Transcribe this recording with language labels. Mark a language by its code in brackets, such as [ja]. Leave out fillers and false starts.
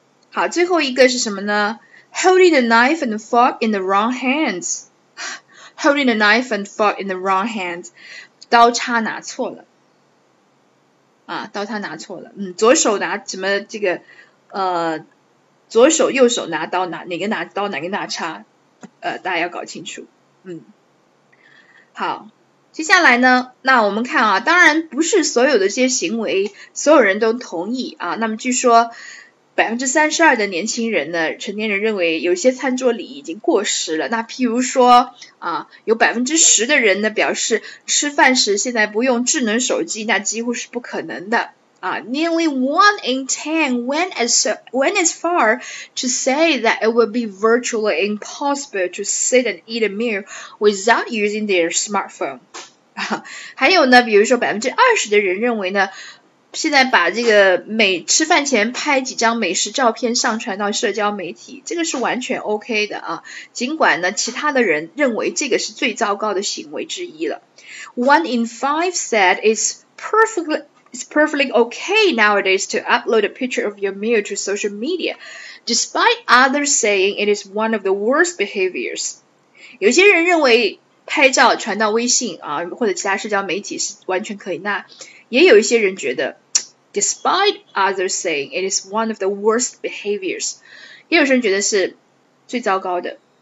[zh] 好，最后一个是什么呢？ [en] Holding a knife and fork in the wrong hands, [zh] holding a knife and fork in the wrong hands, 刀叉拿错了，啊，刀叉拿错了，左手拿什么这个，左手右手拿刀拿哪个拿刀哪个拿叉，大家要搞清楚，好，接下来呢，那我们看啊，当然不是所有的这些行为，所有人都同意啊。那么据说32%的年轻人呢，成年人认为有些餐桌礼仪已经过时了。那譬如说啊，有10%的人呢表示吃饭时现在不用智能手机，那几乎是不可能的啊。 [en] Nearly one in ten went as far to say that it would be virtually impossible to sit and eat a meal without using their smartphone。 [zh] 啊，还有呢，比如说20%的人认为呢，现在把这个吃饭前拍几张美食照片上传到社交媒体，这个是完全 OK 的啊。尽管呢，其他的人认为这个是最糟糕的行为之一了。 [en] One in five said it's perfectly okay nowadays to upload a picture of your meal to social media, despite others saying it is one of the worst behaviors。 [zh] 有些人认为拍照传到微信啊，或者其他社交媒体是完全可以。那也有一些人觉得， [en] despite others saying it is one of the worst behaviors。 [zh] 也有人觉得是最糟糕的。